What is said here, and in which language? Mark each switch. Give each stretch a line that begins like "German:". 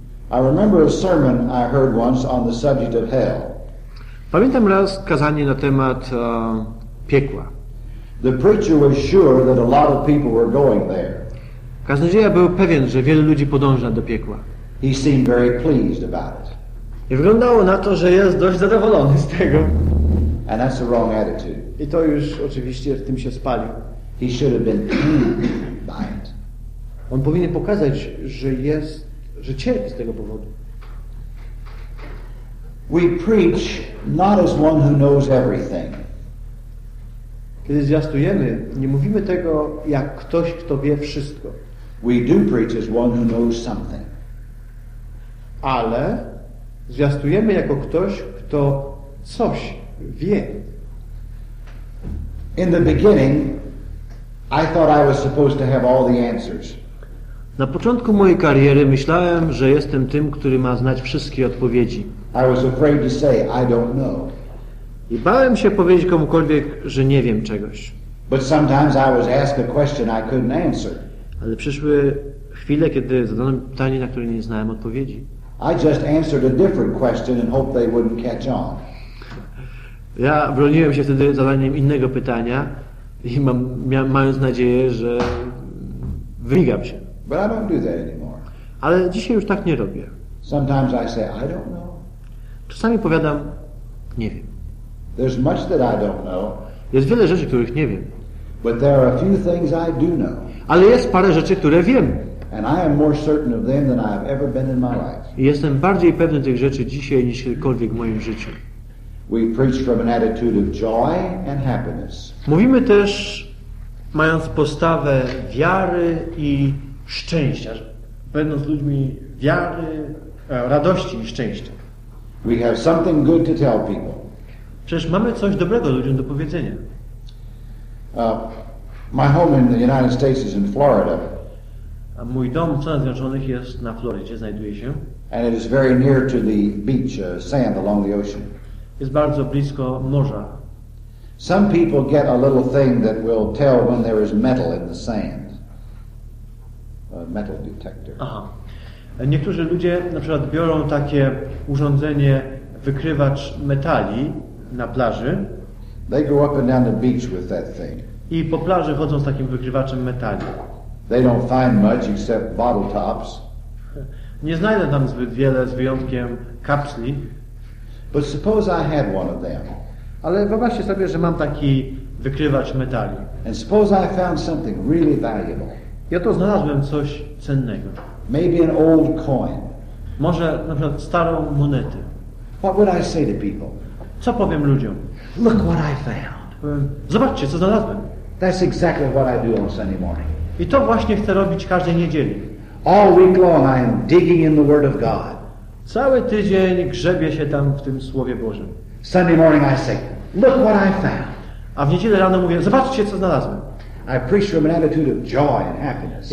English: I remember a sermon I heard once on the subject of hell.
Polish: Pamiętam raz kazanie na temat piekła.
English: The preacher was sure that a lot of people were going there.
Polish: Kaznodzieja był pewien, że wielu ludzi podąża do piekła.
English: He seemed very pleased about it.
Polish: I wyglądało na to, że jest dość zadowolony z tego.
English: And that's the wrong attitude.
Polish: I to już oczywiście w tym się spalił.
English: He should have been by it.
Polish: on powinien pokazać, że jest, że cierpi z tego powodu.
English: We preach not as one who knows everything.
Polish: Kiedy zwiastujemy, nie mówimy tego jak ktoś, kto wie wszystko.
English: We do preach as one who knows something.
Polish: Ale zwiastujemy jako ktoś, kto coś wie.
English: In the beginning, I thought I was supposed to have all the answers.
Polish: Na początku mojej kariery myślałem, że jestem tym, który ma znać wszystkie odpowiedzi.
English: I was afraid to say, I don't know.
Polish: I bałem się powiedzieć komukolwiek, że nie wiem czegoś.
English: But sometimes I was asked a question I couldn't answer.
Polish: Ale przyszły chwile, kiedy zadano mi pytanie, na które nie znałem odpowiedzi.
English: I just answered a different question and hoped they wouldn't catch on.
Polish: Ja broniłem się wtedy zadaniem innego pytania i mając nadzieję, że wymigam się.
English: But I don't do that anymore.
Polish: Ale dzisiaj już tak nie robię.
English: Sometimes I say, I don't know.
Polish: Czasami powiadam, nie wiem.
English: There's much that I don't know.
Polish: Jest wiele rzeczy, których nie wiem.
English: But there are a few things I do know.
Polish: Ale jest parę rzeczy, które wiem.
English: And I am more certain of them than I have ever been in my life.
Polish: I jestem bardziej pewny tych rzeczy dzisiaj niż kiedykolwiek w moim życiu.
English: We preach from an attitude of joy and happiness.
Polish: Mówimy też mając postawę wiary i szczęścia, będąc ludźmi wiary, radości i szczęścia.
English: We have something good to tell people.
Polish: Przecież mamy coś dobrego ludziom do powiedzenia.
English: My home in the United States is in Florida.
Polish: A mój dom w Stanach Zjednoczonych jest na Florydzie, znajduje się.
English: And it is very near to the beach, sand along the ocean.
Polish: Jest bardzo blisko morza.
English: Some people get a little thing that will tell when there is metal in the sand. A metal detector. Aha.
Polish: Niektórzy ludzie na przykład biorą takie urządzenie, wykrywacz metali na plaży.
English: They go up and down the beach with that thing.
Polish: I po plaży chodzą z takim wykrywaczem metali.
English: They don't find much except bottle tops.
Polish: Nie znajdę tam zbyt wiele z wyjątkiem kapsli.
English: But suppose I had one of them.
Polish: Ale wyobraźcie sobie, że mam taki wykrywacz metali.
English: And suppose I found something really valuable.
Polish: Ja to znalazłem coś cennego.
English: Maybe an old coin.
Polish: Może na przykład starą monetę.
English: What would I say to people?
Polish: Co powiem ludziom?
English: Look what I found.
Polish: Zobaczcie, co znalazłem.
English: That's exactly what I do on Sunday morning.
Polish: I to właśnie chcę robić każdej niedzieli.
English: All week long I am digging in the Word of God.
Polish: Cały tydzień grzebię się tam w tym Słowie Bożym.
English: Sunday morning I say, look what I found.
Polish: A w niedzielę rano mówię, zobaczcie, co znalazłem.
English: I preach from an attitude of joy and happiness.